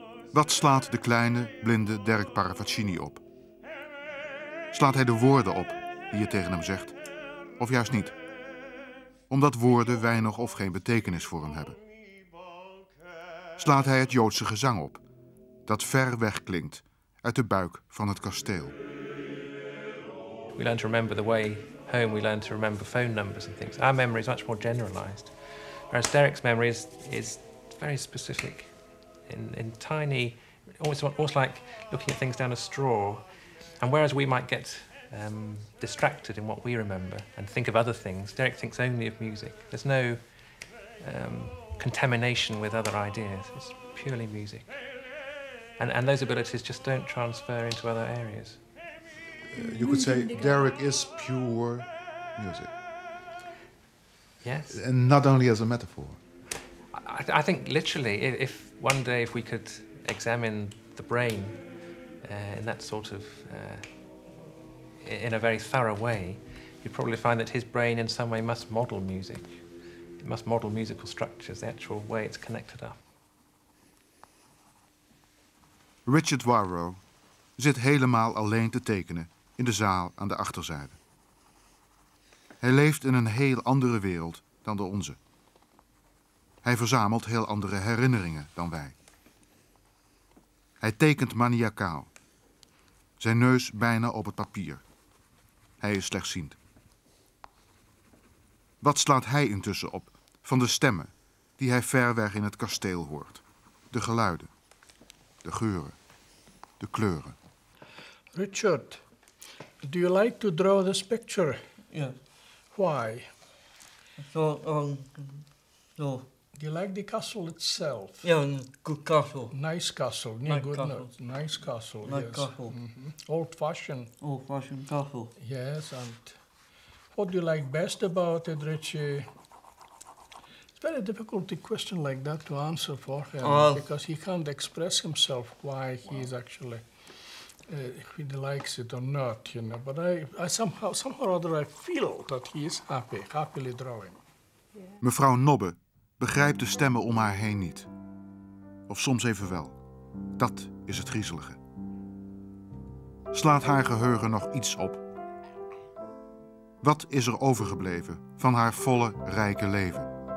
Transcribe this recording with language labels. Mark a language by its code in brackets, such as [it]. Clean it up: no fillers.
[nl] Wat slaat de kleine, blinde Derek Paravaccini op? slaat hij de woorden op die je tegen hem zegt. Of juist niet. Omdat woorden weinig of geen betekenis voor hem hebben. Slaat hij het Joodse gezang op, dat ver weg klinkt uit de buik van het kasteel. [en] We learn to remember the way home, we learn to remember phone numbers and things. Our memory is much more generalized. Whereas Derek's memory is very specific. In tiny, almost like looking at things down a straw. And whereas we might get distracted in what we remember and think of other things, Derek thinks only of music. There's no contamination with other ideas. It's purely music. And those abilities just don't transfer into other areas. You could say Derek is pure music. Yes. And not only as a metaphor. I think literally, if one day if we could examine the brain in that sort of, in a very thorough way, you'd probably find that his brain in some way must model music. It must model musical structures, the actual way it's connected up. [nl] Richard Warrow zit helemaal alleen te tekenen in de zaal aan de achterzijde. Hij leeft in een heel andere wereld dan de onze. Hij verzamelt heel andere herinneringen dan wij. Hij tekent maniacaal. Zijn neus bijna op het papier. Hij is slechtziend. Wat slaat hij intussen op van de stemmen die hij ver weg in het kasteel hoort? De geluiden, de geuren, de kleuren. [en] Richard, do you like to draw this picture? Yes. Why? So. Do you like the castle itself? Yeah, good castle. Nice castle. Nice good castle. Nice castle, nice yes. Castle. Mm-hmm. Old-fashioned. Old-fashioned castle. Yes, and what do you like best about it, Richie? Very difficult a question like that to answer for him because he can't express himself why he is actually if he likes it or not, you know. But I somehow or other I feel that he is happy, happily drawing. Yeah. [nl] Mevrouw Nobbe begrijpt de stemmen om haar heen niet. Of soms even wel. Dat is het griezelige. Slaat haar geheugen nog iets op? Wat is er overgebleven van haar volle, rijke leven?